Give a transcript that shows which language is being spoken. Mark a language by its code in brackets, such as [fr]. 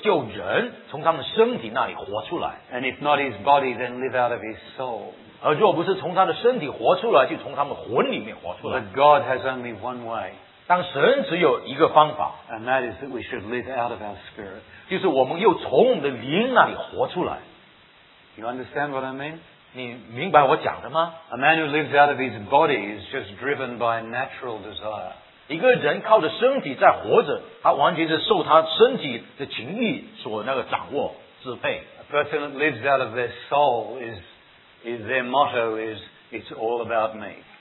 [zh] 但是撒旦的目的，乃是要救人从他们身体那里活出来。 [en] And if not his body, then live out of his soul. [zh] 而若不是从他的身体活出来，就从他们魂里面活出来。 [en] But God has only one way. [zh] 当神只有一个方法。 [en] And that is that we should live out of our spirit. [zh] 就是我们又从我们的灵那里活出来。 [en] You understand what I mean? [zh] 你明白我讲的吗? [en] A man who lives out of his body is just driven by natural desire. [zh] 一个人靠着身体在活着，他完全是受他身体的情欲所掌握支配。 [en] A person that lives out of their soul is their motto is it's all about me.